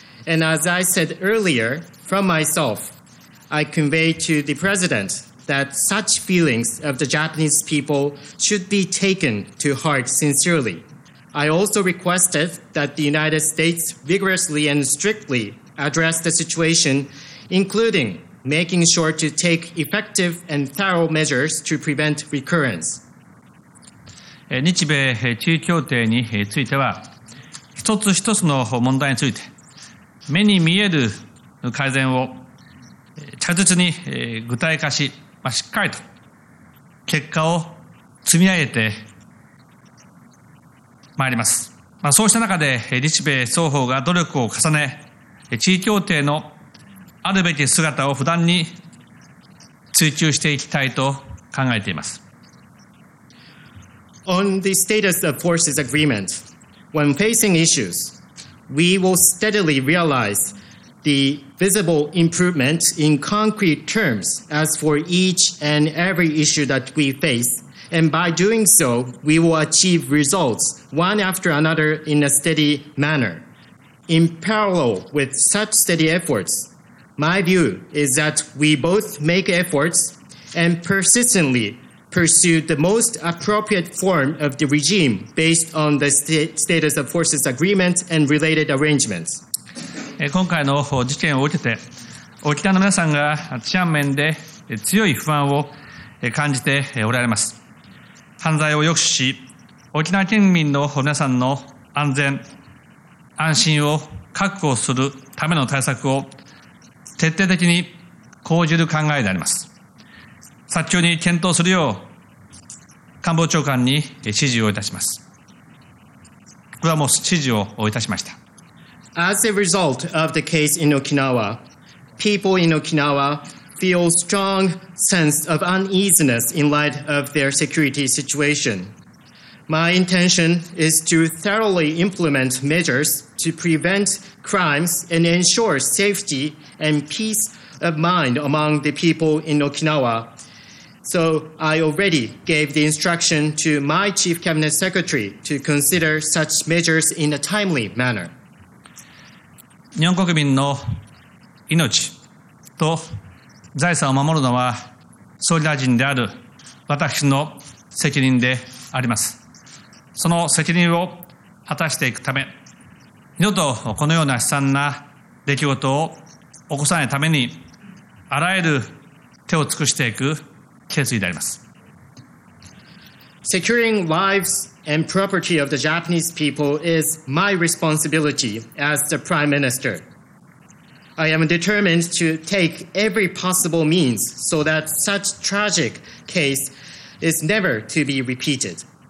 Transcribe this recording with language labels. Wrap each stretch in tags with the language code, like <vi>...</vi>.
<en>And as I said earlier, from myself, I convey to the President that such feelings of the Japanese people should be taken to heart sincerely. I also requested that the United States vigorously and strictlyaddress the situation, including making sure to take effective and thorough measures to prevent recurrence.</en> <ja>日米地位協定については、一つ一つの問題について、目に見える改善を着実に具体化し、しっかりと結果を積み上げてまいります。そうした中で、日米双方が努力を重ね、地位協定のあるべき姿を不断に追求していきたいと考えています。</ja> <en>On the status of forces agreement, when facing issues, we will steadily realize the visible improvement in concrete terms as for each and every issue that we face. And by doing so, we will achieve results one after another in a steady manner. In parallel with such steady efforts, my view is that we both make efforts and persistently pursue the most appropriate form of the regime based on the status of forces agreement and related arrangements.</en> <ja>今回の事件を受けて、沖縄の皆さんが治安面で強い不安を感じておられます。犯罪を抑止し、沖縄県民の皆さんの安全、安心を確保するための対策を徹底的に講じる考えであります。早急に検討するよう、官房長官に指示をいたします。これはもう指示をいたしました。</ja> <en>As a result of the case in Okinawa, people in Okinawa feel strong sense of uneasiness in light of their security situation. My intention is to thoroughly implement measures to prevent crimes and ensure safety and peace of mind among the people in Okinawa. So I already gave the instruction to my Chief Cabinet Secretary to consider such measures in a timely manner.</en> <ja>日本国民の命と財産を守るのは総理大臣である私の責任であります。その責任を果たしていくため、二度とこのような悲惨な出来事を起こさないためにあらゆる手を尽くしていく決意であります。</ja> <en>Securing lives. And property of the Japanese people is my responsibility as the Prime Minister. I am determined to take every possible means so that such tragic case is never to be repeated.</en>